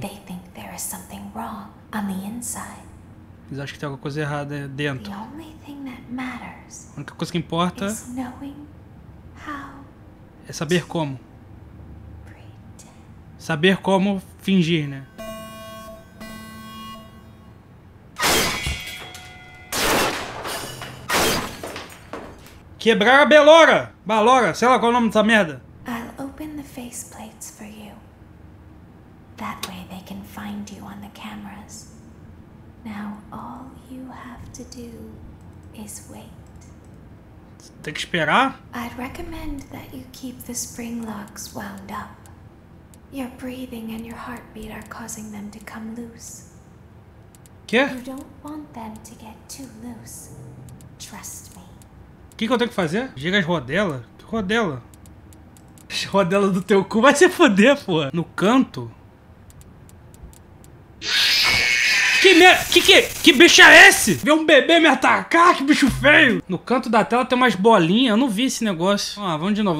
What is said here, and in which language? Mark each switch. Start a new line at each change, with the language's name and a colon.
English: They think there is something wrong on the inside.
Portuguese: Eles acham que tem alguma coisa errada dentro.
English: The only thing that matters,
Portuguese: a única coisa que importa
English: is knowing how
Portuguese: é saber como.
English: Pretend.
Portuguese: Saber como fingir, né? Quebrar a Belora! Balora, sei lá qual é o nome dessa merda.
English: I'll open the faceplates for you. That way they can find you on the cameras. Now all you have to do is wait.
Portuguese: Tem que esperar?
English: I'd recommend that you keep the spring locks wound up. Your breathing and your heartbeat are causing them to come loose.
Portuguese: Quê?
English: You don't want them to get too loose. Trust me.
Portuguese: O que, que eu tenho que fazer? Gira as rodelas? Que rodela? As rodelas do teu cu vai se foder, pô. No canto? Que merda? Que bicho é esse? Vê um bebê me atacar? Que bicho feio! No canto da tela tem umas bolinhas. Eu não vi esse negócio. Ah, vamos de novo.